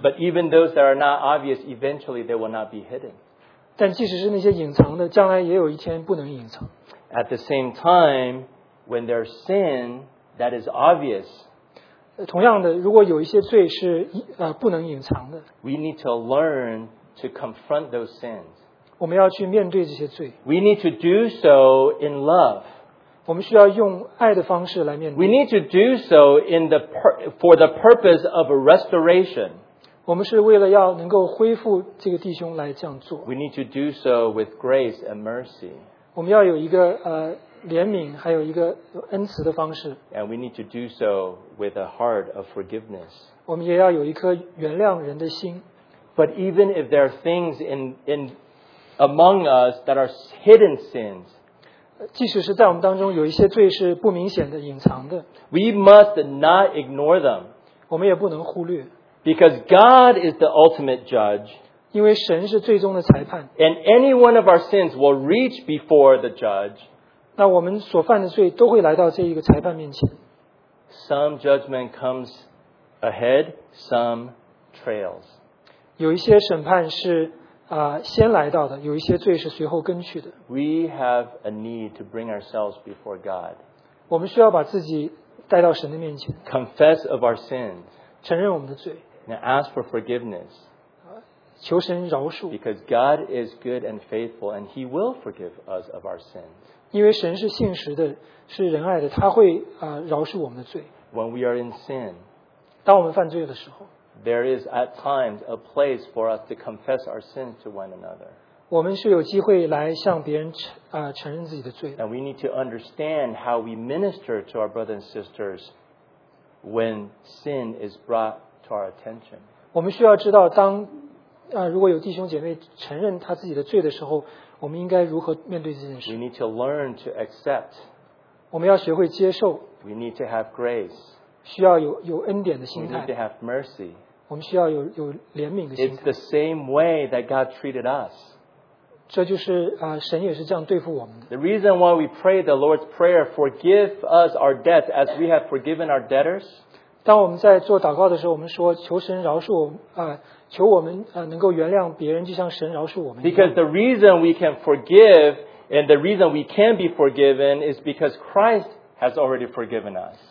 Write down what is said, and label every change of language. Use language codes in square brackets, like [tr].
[en] But even those that are not obvious, eventually they will not be hidden. [zh] 但即使是那些隐藏的，将来也有一天不能隐藏。 [en] At the same time, when there's sin that is obvious, [zh] 同样的，如果有一些罪是不能隐藏的， [en] We need to learn to confront those sins. [zh] 我们要去面对这些罪。 [en] We need to do so in love. [zh] 我们需要用爱的方式来面对。 [en] We need to do so for the purpose of a restoration. [zh] 我们是为了要能够恢复这个弟兄来这样做。 [en] We need to do so with grace and mercy. [zh] 我们要有一个怜悯，还有一个恩慈的方式。 [en] And we need to do so with a heart of forgiveness. [zh] 我们也要有一颗原谅人的心。 [en] But even if there are things in among us that are hidden sins, [zh] 即使是在我们当中有一些罪是不明显的、隐藏的 [en] ，we must not ignore them. [zh] 我们也不能忽略。 [en] Because God is the ultimate judge. [zh] 因为神是最终的裁判。 [en] And any one of our sins will reach before the judge. [zh] 那我们所犯的罪都会来到这一个裁判面前。 [en] Some judgment comes ahead, some trails. [zh] 有一些审判是先来到的，有一些罪是随后跟去的。 [en] We have a need to bring ourselves before God. [zh] 我们需要把自己带到神的面前。 [en] Confess of our sins. [zh] 承认我们的罪。 [en] Now ask for forgiveness. [zh] 求神饶恕。 [en] Because God is good and faithful, and He will forgive us of our sins. [zh] 因为神是信实的，是仁爱的，他会饶恕我们的罪。 [en] When we are in sin, [zh] 当我们犯罪的时候 [en] ，there is at times a place for us to confess our sins to one another. [zh] 我们是有机会来向别人承认自己的罪。 [en] And we need to understand how we minister to our brothers and sisters. When sin is brought to our attention, [zh] 我们需要知道当如果有弟兄姐妹承认他自己的罪的时候，我们应该如何面对这件事。 [en] We need to learn to accept. [zh] 我们要学会接受。 [en] We need to have grace. [zh] 需要有恩典的心态。 [en] We need to have mercy. [zh] 我们需要有怜悯的心态。 [en] It's the same way that God treated us. [zh] 这就是神也是这样对付我们的。 [en] The reason why we pray the Lord's Prayer, forgive us our debt as we have forgiven our debtors. [zh] 当我们在做祷告的时候，我们说求神饶恕我们，求我们能够原谅别人，就像神饶恕我们。 [en] Because the reason we can forgive and the reason we can be forgiven is because Christ has already forgiven us.